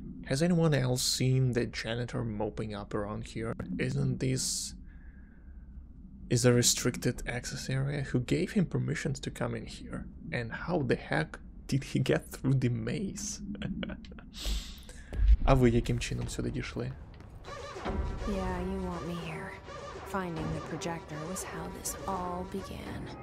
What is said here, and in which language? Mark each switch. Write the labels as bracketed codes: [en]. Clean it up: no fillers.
[en] Has anyone else seen the janitor moping up around here? Isn't this... Is a restricted access area? Who gave him permissions to come in here? And how the heck did he get through the maze? [uk] А ви яким чином сюди дійшли? [en] Yeah, you want me here. Finding the projector was how this all began.